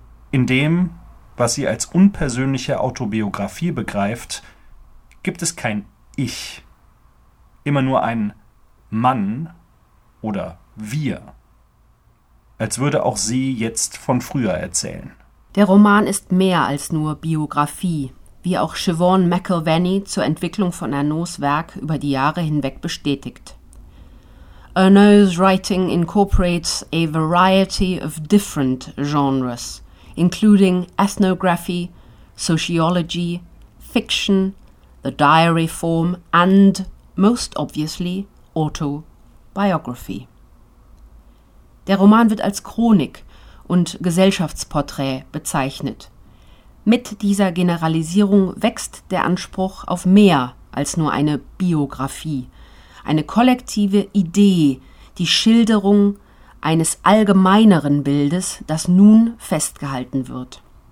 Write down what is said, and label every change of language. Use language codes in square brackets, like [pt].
[de] In dem, was sie als unpersönliche Autobiografie begreift, gibt es kein Ich, immer nur ein Mann oder Wir. Als würde auch sie jetzt von früher erzählen. Der Roman ist mehr als nur Biografie, wie auch Siobhan McIlvenny zur Entwicklung von Ernaux Werk über die Jahre hinweg bestätigt. [en] Ernaux's writing incorporates a variety of different genres, including ethnography, sociology, fiction, the diary form and, most obviously, autobiography. [de] Der Roman wird als Chronik und Gesellschaftsporträt bezeichnet. Mit dieser Generalisierung wächst der Anspruch auf mehr als nur eine Biografie, eine kollektive Idee, die Schilderung eines allgemeineren Bildes, das nun festgehalten wird.